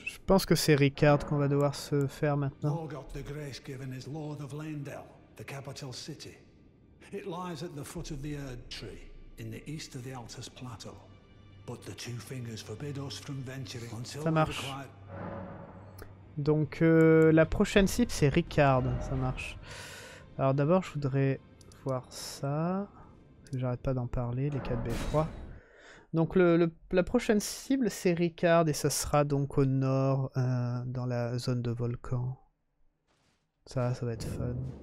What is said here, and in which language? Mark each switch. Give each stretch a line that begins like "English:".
French: Je pense que c'est Rikard qu'on va devoir se faire maintenant.
English: Morgoth the Grace given is Lord of Laendel, the capital city. It lies at the foot of the Erd Tree, in the east of the Altus Plateau. But the two fingers forbid us from venturing until we require...
French: Donc la prochaine cible c'est Rikard, ça marche. Alors d'abord je voudrais voir ça, j'arrête pas d'en parler, les 4 beffrois. Donc la prochaine cible c'est Rikard et ça sera donc au nord dans la zone de volcan. Ça va être fun.